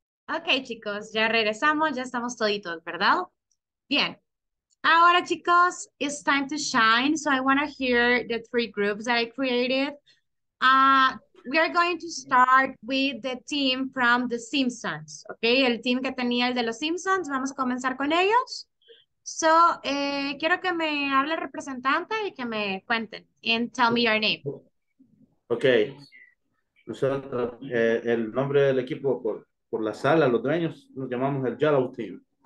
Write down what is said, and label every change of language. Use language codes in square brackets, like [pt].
[es] Ok, chicos, ya regresamos, ya estamos toditos, ¿verdad? Bien. Ahora, chicos, [en] it's time to shine. So I want to hear the three groups that I created. We are going to start with the team from The Simpsons. [es] Ok, el team que tenía el de Los Simpsons, vamos a comenzar con ellos. So, quiero que me hable el representante y que me cuenten. [en] And tell me your name. Ok. [es] El nombre del equipo, por la sala, los dueños, nos llamamos el Yellow Team.